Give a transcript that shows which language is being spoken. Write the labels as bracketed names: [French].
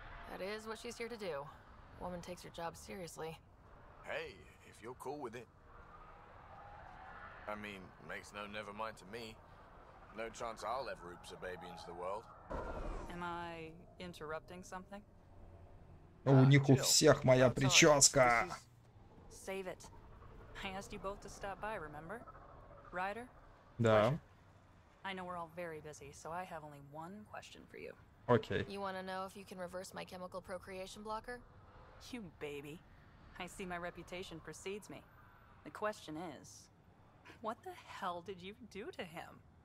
[English] That is what she's here to do. Woman takes her job seriously. Hey. If you're cool with it. I mean, makes no never mind to me. No chance I'll ever oops a baby into the world. Am I interrupting something? [Russian] У них у всех моя прическа. [English] Save it. I asked you both to stop by, remember? Ryder? [Russian] Да. [English] I know we're all very busy, so I have only one question for you. Okay. You want to know if you can reverse my chemical procreation blocker? You baby. I see my reputation precedes me. The question is, what the hell did you do to him?